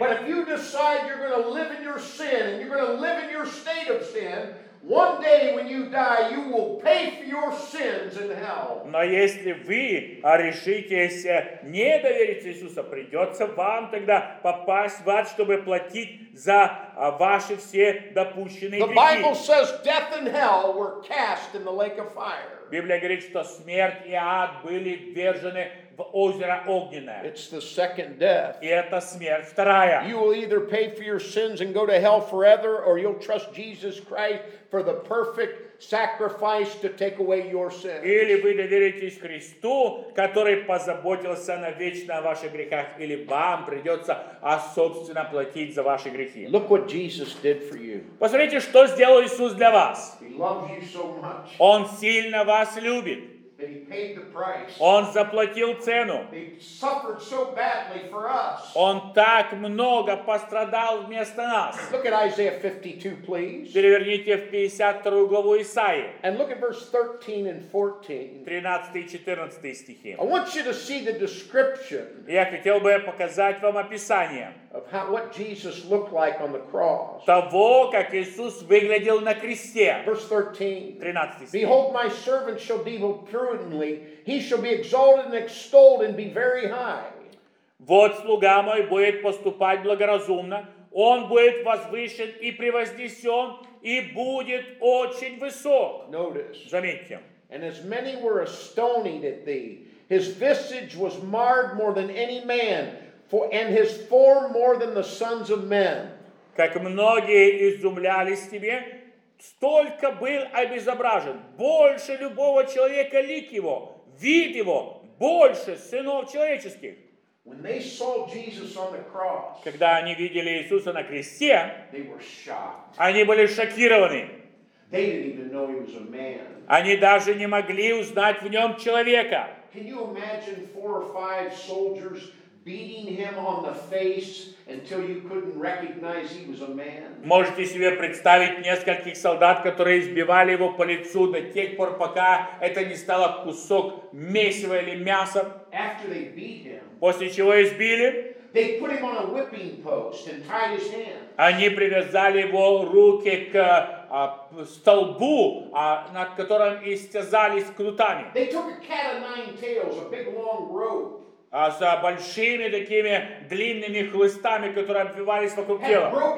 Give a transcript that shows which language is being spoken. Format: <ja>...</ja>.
<en>But if you decide you're going to live in your sin and you're going to live in your state of sin, one day when you die, you will pay for your sins in hell.</en> <ru>Но если вы решитесь не довериться Иисусу, придется вам тогда попасть в ад, чтобы платить за ваши все допущенные грехи.</ru> <en>The Bible says death and hell were cast in the lake of fire.</en> <ru>Библия говорит, что смерть и ад были ввержены в озеро огненное.</ru> <en>It's the second death.</en> <ru>И это смерть вторая.</ru> <en>You will either pay for your sins and go to hell forever, or you'll trust Jesus Christ for the perfect sacrifice to take away your sins.</en> <ru>Или вы доверитесь Христу, который позаботился навечно о ваших грехах, или вам придется собственно платить за ваши грехи.</ru> <en>Look what Jesus did for you.</en> <ru>Посмотрите, что сделал Иисус для вас.</ru> <en>He loves you so much.</en> <ru>Он сильно вас любит.</ru> <en>That he paid the price.</en> <ru>Он заплатил цену.</ru> <en>He suffered so badly for us.</en> <ru>Он так много пострадал вместо нас.</ru> <en>Look at Isaiah 52, please.</en> <ru>Переверните в 52 главу Исаии.</ru> <en>And look at verse 13 and 14.</en> <ru>13 и 14 стихи.</ru> <en>I want you to see the description.</en> <ru>Я хотел бы показать вам описание.</ru> <en>Of how, what Jesus looked like on the cross.</en> <ru>Того, как Иисус выглядел на кресте.</ru> <en>Verse 13. Behold, my servant shall be prudently. He shall be exalted and extolled and be very high.</en> <ru>Вот слуга мой будет поступать благоразумно. Он будет возвышен и превознесен и будет очень высок.</ru> <en>Notice.</en> <ru>Заметьте.</ru> <en>And as many were astonied at thee, his visage was marred more than any man. For and his form more than the sons of men.</en> <ru>Как многие изумлялись тебе, столько был обезображен, больше любого человека лик его, вид его, больше сынов человеческих.</ru> <en>When they saw Jesus on the cross,</en> <ru>когда они видели Иисуса на кресте,</ru> <en>they were shocked.</en> <ru>Они были шокированы.</ru> <en>They didn't even know he was a man.</en> <ru>Они даже не могли узнать в нем человека.</ru> <en>Can you imagine four or five soldiers beating him on the face until you couldn't recognize he was a man?</en> <ru>Можете себе представить нескольких солдат, которые избивали его по лицу до тех пор, пока это не стало кусок месива или мяса?</ru> <en>After they beat him,</en> <ru>после чего избили,</ru> <en>they put him on a whipping post and tied his hands.</en> <ru>Они привязали его руки к столбу, над которым истязались крутами.</ru> <en>They took a cat of nine tails, a big long rope.</en> <ru>А с большими такими длинными хлыстами, которые обвивались вокруг тела.</ru>